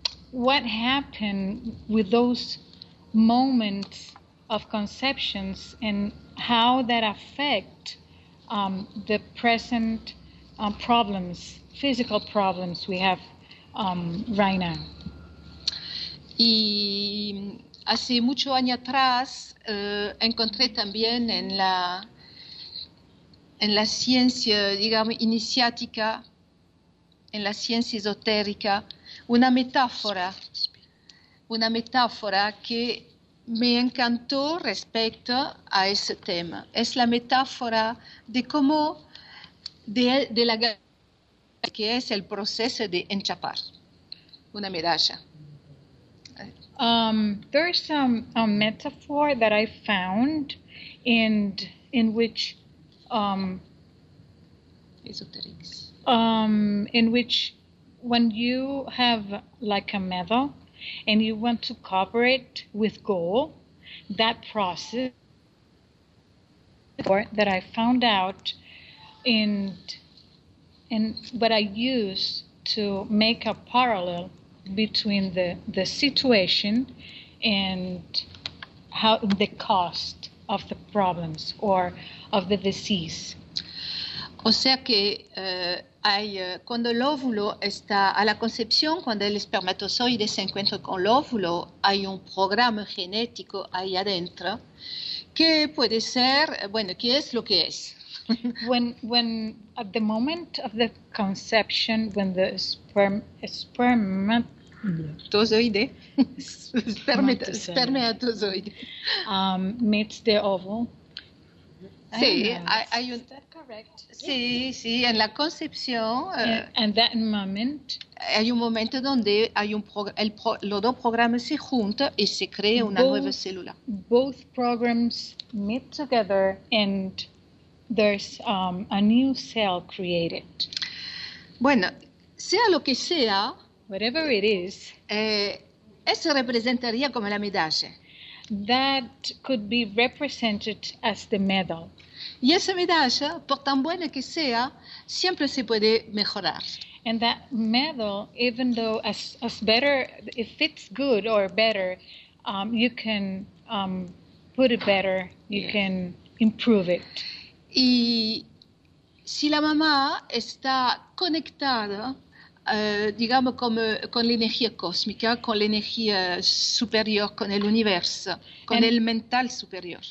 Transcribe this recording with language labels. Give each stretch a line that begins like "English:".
English: what happened with those moments of conceptions and how that affect the present problems, physical problems we have right now.
Spanish: Y hace mucho año atrás encontré también en la ciencia, digamos, iniciática, en la ciencia esotérica, una metáfora que me encantó respecto a ese tema. Es la metáfora de cómo de la que es el proceso de enchapar una medalla.
English: There is some metaphor that I found in which when you have like a metal and you want to cover it with gold, that process that I found out in what I use to make a parallel between the situation and how the cost of the problems or of the disease.
Spanish: O sea que hay cuando el óvulo está a la concepción, cuando el espermatozoide se encuentra con el óvulo, hay un programa genético ahí adentro que puede ser, bueno, que es lo que es.
English: When at the moment of the conception, when the spermatozoide spermatozoide meets the ovum.
Spanish: Sí, hay un, sí, sí, en la concepción.
English: And that moment.
Spanish: Hay un momento donde hay un los dos programas se juntan y se crea una nueva célula.
English: Both programs meet together and there's a new cell created.
Spanish: Bueno, sea lo que sea,
English: whatever it is,
Spanish: eso representaría como la medalla.
English: That could be represented as the medal.
Spanish: Y esa medalla, por tan buena que sea, siempre se puede mejorar.
English: And that medal, even though as better, if it's good or better, you can put it better, you can improve it.
Spanish: Y si la mamá está conectada, digamos, con la energía cósmica, con la energía superior, con el universo, con el mental superior.